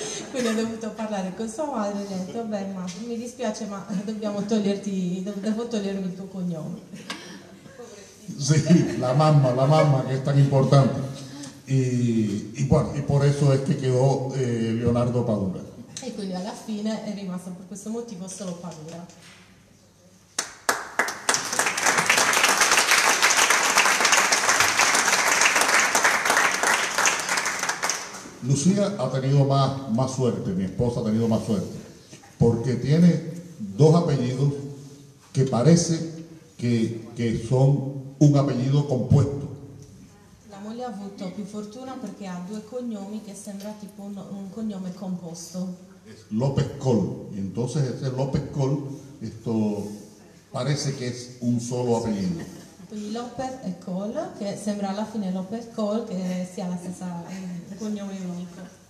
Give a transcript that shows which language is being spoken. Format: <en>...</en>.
<it>Quindi ho dovuto parlare con sua madre e ho detto, beh, ma mi dispiace, ma dobbiamo toglierti, devo togliermi il tuo cognome. Sì, sí, la mamma che è tan importante.</it> <es>Y bueno, y por eso es que quedó Leonardo Padura.</es> <it>E quindi alla fine è rimasto per questo motivo solo Padura.</it> <es>Lucía ha tenido más suerte, mi esposa ha tenido más suerte, porque tiene dos apellidos que parece que son un apellido compuesto.</es> <it>La moglie ha avuto più fortuna perché ha due cognomi che sembra tipo un cognome composto.</it> <es>Es López Col, y entonces ese López Col, esto parece que es un solo apellido.</es> <it>Quindi López e Col, che sembra alla fine López Col, che sia la stessa cognome unico.</it>